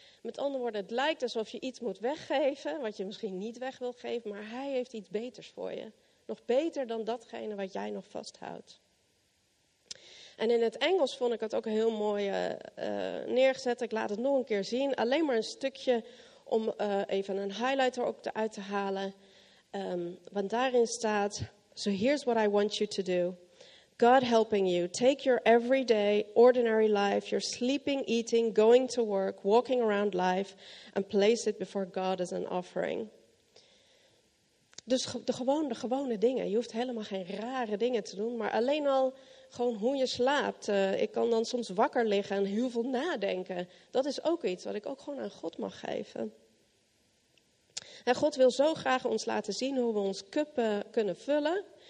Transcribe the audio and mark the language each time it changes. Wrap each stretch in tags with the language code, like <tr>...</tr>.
<nl>Met andere woorden, het lijkt alsof je iets moet weggeven, wat je misschien niet weg wil geven, maar hij heeft iets beters voor je. Nog beter dan datgene wat jij nog vasthoudt. En in het Engels vond ik het ook heel mooi neergezet. Ik laat het nog een keer zien. Alleen maar een stukje om even een highlighter ook eruit te halen. Want daarin staat,</nl> <en>so here's what I want you to do. God helping you, take your everyday, ordinary life, your sleeping, eating, going to work, walking around life, and place it before God as an offering.</en> <nl>Dus de gewone dingen. Je hoeft helemaal geen rare dingen te doen, maar alleen al gewoon hoe je slaapt. Ik kan dan soms wakker liggen en heel veel nadenken. Dat is ook iets wat ik ook gewoon aan God mag geven. En God wil zo graag ons laten zien hoe we ons cup kunnen vullen.</nl>